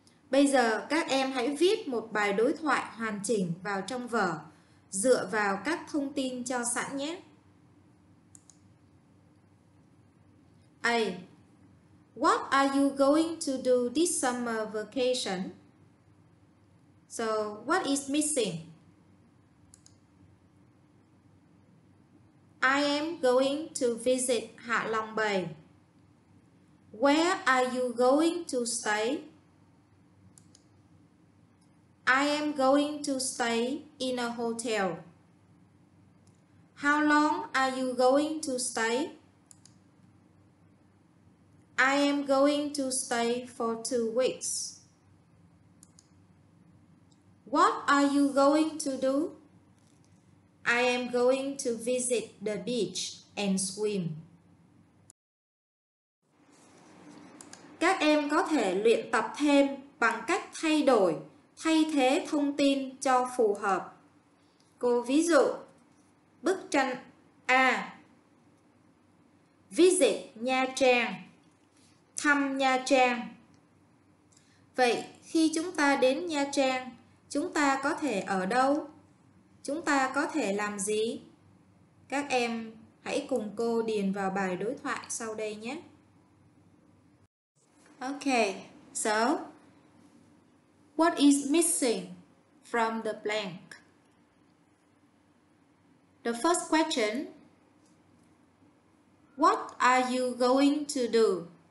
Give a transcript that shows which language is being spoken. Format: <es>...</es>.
<vi>Bây giờ các em hãy viết một bài đối thoại hoàn chỉnh vào trong vở dựa vào các thông tin cho sẵn nhé. A.</vi> <en>What are you going to do this summer vacation? So, what is missing? I am going to visit Hạ Long Bay. Where are you going to stay? I am going to stay in a hotel. How long are you going to stay? I am going to stay for 2 weeks. What are you going to do? I am going to visit the beach and swim.</en> <vi>Các em có thể luyện tập thêm bằng cách thay đổi, thay thế thông tin cho phù hợp. Cô ví dụ, bức tranh A. Visit Nha Trang. Thăm Nha Trang. Vậy, khi chúng ta đến Nha Trang, chúng ta có thể ở đâu? Chúng ta có thể làm gì? Các em hãy cùng cô điền vào bài đối thoại sau đây nhé.</vi> <en>Okay, so what is missing from the blank? The first question: What are you going to do?</en>